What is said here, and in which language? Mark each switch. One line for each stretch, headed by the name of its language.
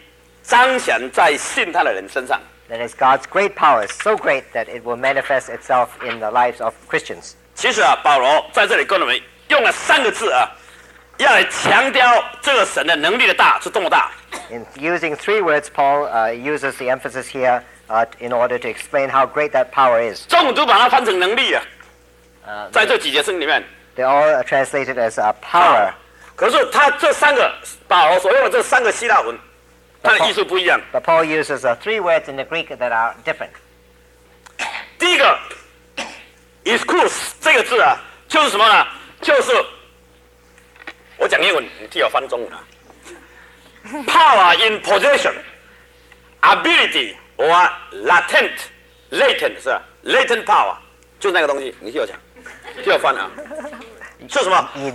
Chinese: 就是说求圣灵，保罗说求圣灵能够叫我们能够明白，在神这么大的能力彰显在信他的人身上。That
English: is God's great power, so great that it will manifest itself in the lives of Christians.
Chinese: 其实啊，保罗在这里跟我们用了三个字啊，要来强调这个神的能力的大是多么大。In
English: using three words, Paul uses the emphasis here in order to explain how great that power is.
Chinese: 中文都把它翻成能力啊。在这几节圣经里面
English: They all are translated as power
Chinese: 可是他这三个保罗所用的这三个希腊文 他的意思不一样
English: But Paul uses three words in the Greek that are different
Chinese: 第一个 Iskous 这个字啊 就是什么呢 就是 我讲英文 你替我翻中文啊
English: Power in possession Ability or latent
Chinese: 是吧
English: Latent power
Chinese: 就是那个东西 你替我讲 就要翻了，是什么？